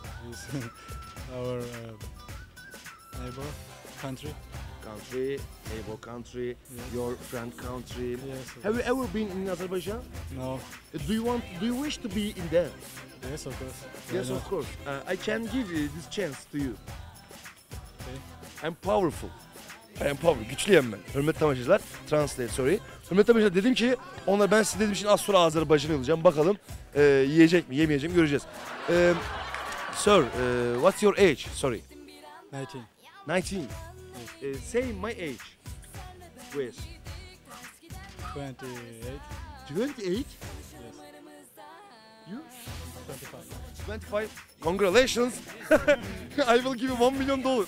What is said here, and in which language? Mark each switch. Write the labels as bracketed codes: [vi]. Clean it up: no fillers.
[en] It's our neighbor country. Country, neighbor country, yes. Your friend country. Yes. Have you ever been in Azerbaijan? No. Do you want, do you wish to be in there? Yes, of course. Yes, of course. I can give this chance to you. Okay. I'm powerful. I am powerful, [tr] güçlüyüm ben. Hürmetli amacılar, [en] translate, sorry. [tr] Hürmetli amacılar dedim ki, onlar ben size dediğim için az sonra Azerbaycan'a yollayacağım. Bakalım yiyecek mi, yemeyecek mi göreceğiz. [en] Sir, what's your age, sorry? 19. 19? Yes. Say my age. Where's? 28. 28? Yes. You? 25. 25? Congratulations! I will give you $1 million.